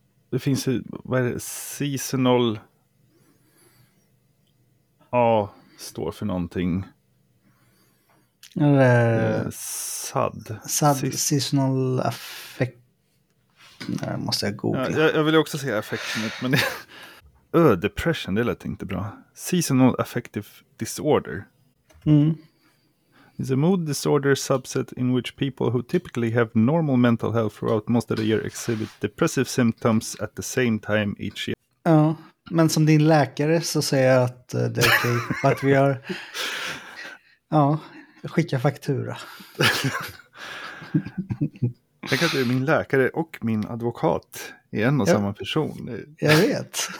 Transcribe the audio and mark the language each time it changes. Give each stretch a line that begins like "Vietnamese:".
Swedish: Det finns ju, vad är det, seasonal A står för någonting. Eller SAD. Seasonal affect. Nej, måste jag googla. Ja, jag vill också säga affectionate, men det, depression, det lät inte bra.
English: Seasonal affective disorder. Mm. It's a mood disorder subset in which people who typically have normal mental health throughout most of the year exhibit depressive symptoms at the same time each year.
Swedish: Ja, men som din läkare så säger jag att det är okej. Att vi har... Ja, skicka faktura. Jag kan säga min läkare och min advokat i en och samma person. Jag vet.